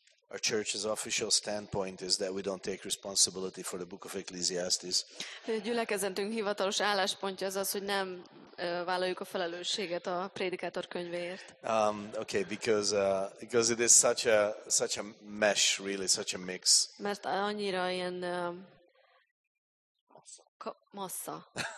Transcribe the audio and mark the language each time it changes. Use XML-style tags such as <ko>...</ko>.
<en>a church's official standpoint is that we don't take responsibility for the book of Ecclesiastes.</en> <hu>Gyülekezetünk hivatalos álláspontja az az, hogy nem vállaljuk a felelősséget a prédikátor könyvéért.</hu> <en>Okay, because it is such a mesh, really, such a mix.</en> <hu>Mert annyira ilyen massa.</hu>